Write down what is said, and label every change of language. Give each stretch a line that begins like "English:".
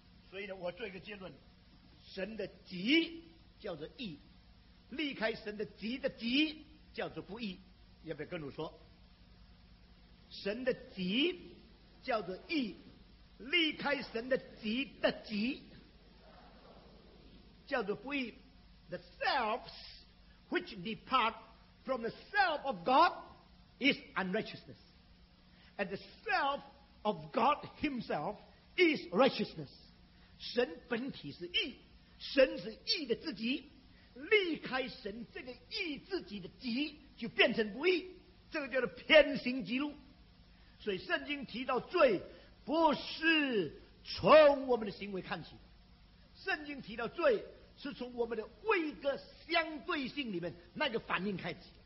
Chinese: 所以呢，我做一个结论，神的己叫做义，离开神的己的己叫做不义。要不要跟我说，神的己叫做义，离开神的己的己叫做不义。
English: The selfsWhich depart from the self of God is unrighteousness, and the self of God Himself is righteousness.
Chinese: 神本体是义，神是义的自己，离开神这个义自己的己就变成不义，这个叫做偏行己路。所以圣经提到罪不是从我们的行为看起，圣经提到罪是从我们的位格相对性里面那个反应开始。